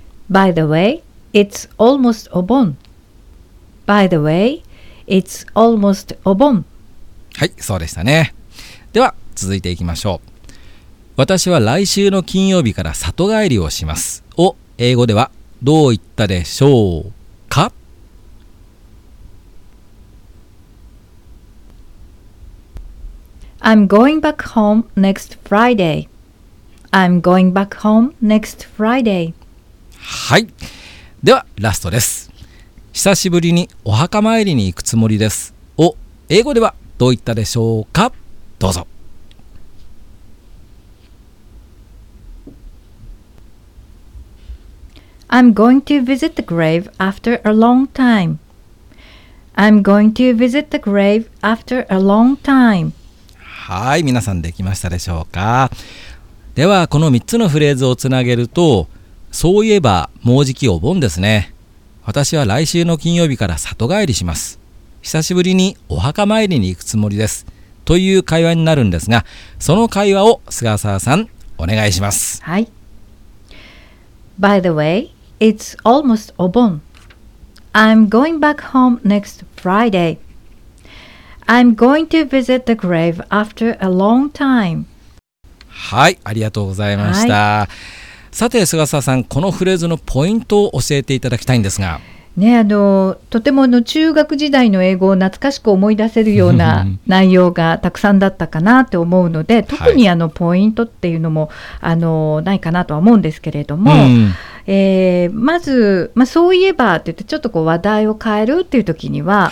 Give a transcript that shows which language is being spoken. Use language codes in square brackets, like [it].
[en] By the way, it's almost お盆。 By the way, it's almost お盆。 [ja] はい、そうでしたね。では続いていきましょう。私は来週の金曜日から里帰りをしますを英語ではどう言ったでしょうか。 [en] I'm going back home next Friday. I'm going back home next Friday. [ja] はい。ではラストです。久しぶりにお墓参りに行くつもりです。を英語ではどう言ったでしょうか。どうぞ。 [en] I'm going to visit the grave after a long time. I'm going to visit the grave after a long time. [ja] はい、皆さんできましたでしょうか。ではこの3つのフレーズをつなげると、そういえばもうじきお盆ですね。私は来週の金曜日から里帰りします。久しぶりにお墓参りに行くつもりです。という会話になるんですが、その会話を菅沢さんお願いします。はい。 [en] By the way, it's almost お盆。 I'm going back home next Friday. I'm going to visit the grave after a long time. [ja] はい、ありがとうございました。はい、さて、菅沢さん、このフレーズのポイントを教えていただきたいんですが。ね、とても中学時代の英語を懐かしく思い出せるような内容がたくさんだったかなと思うので、特にポイントっていうのも、ないかなとは思うんですけれども、まず、そういえばって言ってちょっとこう話題を変えるっていう時には、